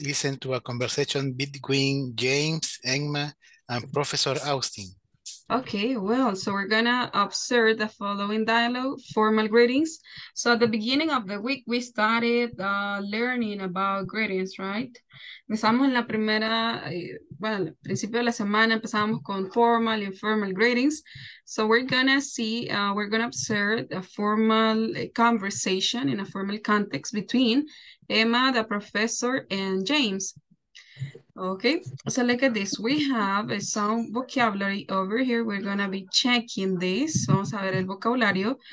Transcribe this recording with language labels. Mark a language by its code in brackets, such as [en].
[en] Listen to a conversation between James, Emma, and Professor Austin. Okay, well, so we're gonna observe the following dialogue, formal greetings. So at the beginning of the week, we started learning about greetings, right? [es] Empezamos en la primera, well, principio de la semana empezamos con [en] formal, informal greetings. So we're gonna see, we're gonna observe a formal conversation in a formal context between Emma, the professor, and James. Okay, so look at this. We have some vocabulary over here. We're going to be checking this. [es] Vamos a ver el vocabulario.